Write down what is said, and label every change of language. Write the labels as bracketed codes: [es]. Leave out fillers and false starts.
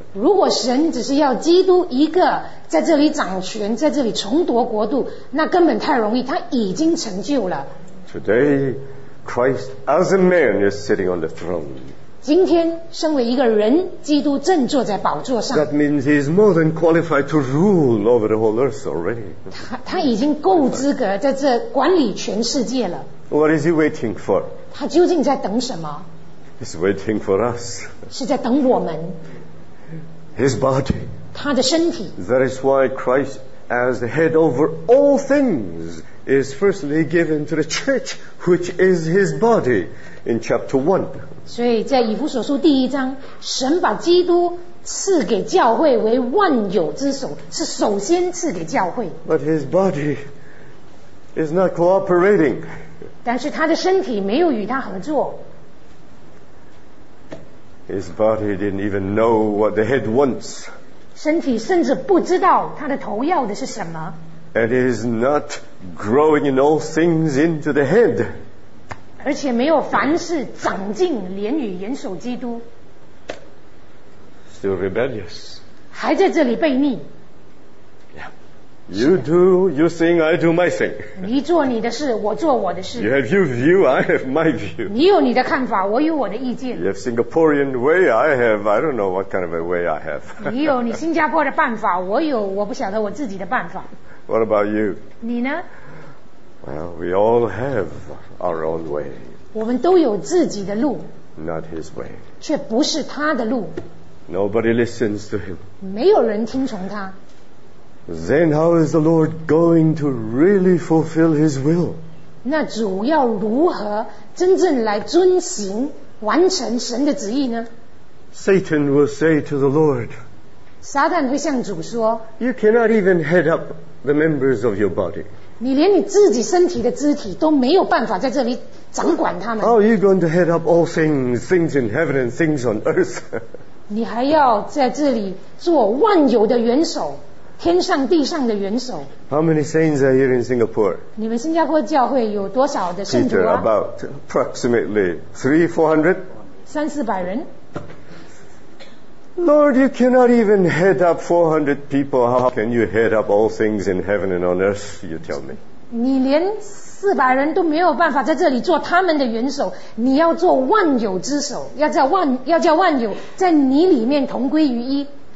[zh] 如果神只是要基督一个在这里掌权，在这里重夺国度，那根本太容易，他已经成就了。 [en] Today. Christ as a man is sitting on the throne. [zh] 今天身为一个人，基督正坐在宝座上。 [en] That means he is more than qualified to rule over the whole earth already. [zh] 他已经够资格在这管理全世界了。 [en] What is he waiting for? [zh] 他究竟在等什么？ [en] He's waiting for us. [zh] 是在等我们。 [en] His body. [zh] 他的身体。 [en] That is why Christ as the head over all things. Is firstly given to the church, which is his body, in chapter 1. [zh] 所以在以弗所书第一章，神把基督赐给教会为万有之首，是首先赐给教会。 [en] But his body is not cooperating. [zh] 但是他的身体没有与他合作。 [en] His body didn't even know what the head wants. [zh] 身体甚至不知道他的头要的是什么。 [en] And it is not growing in all things into the head. [zh] 而且没有凡事长进，连与元首基督。 [en] Still rebellious. [zh] 还在这里悖逆。 [en] Yeah. You do your thing, I do my thing. [zh] 你做你的事，我做我的事。 [en] You have your view, I have my view. [zh] 你有你的看法，我有我的意见。 [en] You have Singaporean way, I have, I don't know what kind of a way I have. [zh] 你有你新加坡的办法，我有我不晓得我自己的办法。 [en] What about you? [zh] 你呢？ [en] Well, we all have our own way. [zh] 我们都有自己的路。 [en] Not his way. [zh] 却不是他的路。 [en] Nobody listens to him. [zh] 没有人听从他。 [en] Then how is the Lord going to really fulfill His will? [zh] 那主要如何真正来遵行完成神的旨意呢？ [en] Satan will say to the Lord, [zh] 撒旦会向主说， [en] You cannot even head up the members of your body. [zh] 你连你自己身体的肢体都没有办法在这里掌管他们。 [en] How are you going to head up all things, things in heaven and things on earth? [zh] 你还要在这里做万有的元首，天上地上的元首。 [en] How many saints are here in Singapore? [zh] 你们新加坡教会有多少的圣徒啊？ [en] Peter, about approximately 300-400? [zh] 三四百人。 [en] Lord, you cannot even head up 400 people. How can you head up all things in heaven and on earth? You tell me. [zh] 你连四百人都没有办法在这里做他们的元首，你要做万有之首，要叫万有在你里面同归于一。